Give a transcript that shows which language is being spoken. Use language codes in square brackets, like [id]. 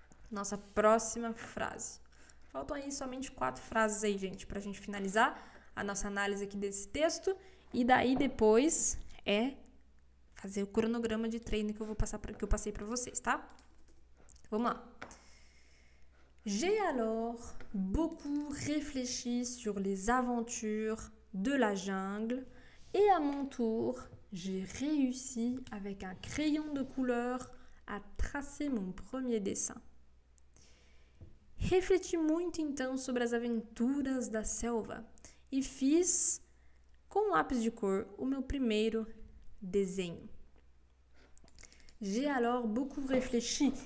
[pt] Nossa próxima frase. Faltam aí somente 4 frases aí, gente, para a gente finalizar a nossa análise aqui desse texto. E daí depois é fazer o cronograma de treino que eu vou passar pra, que eu passei para vocês, tá? Vamos lá. [fr] J'ai alors beaucoup réfléchi sur les aventures de la jungle et à mon tour. J'ai réussi avec un crayon de couleur à tracer mon premier dessin. [pt] Refleti muito então sobre as aventuras da selva e fiz com lápis de cor o meu primeiro desenho. [fr] J'ai alors beaucoup réfléchi.